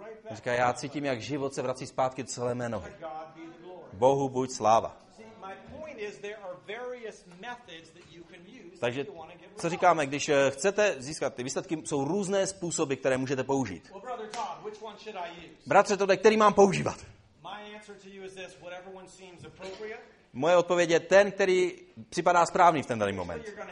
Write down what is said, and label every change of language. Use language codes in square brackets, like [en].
[cs] Říká, já cítím, jak život se vrací zpátky do celé mé nohy. Bohu buď sláva. [en] My point is there are various methods that you can use. [cs] Takže co říkáme, když chcete získat ty výsledky, jsou různé způsoby, které můžete použít. [en] Well, brother Todd, which one should I use? [cs] Bratře Todde, který mám používat? [en] My answer to you is this, whatever one seems appropriate. [cs] Moje odpověď je ten, který připadá správný v ten daný moment.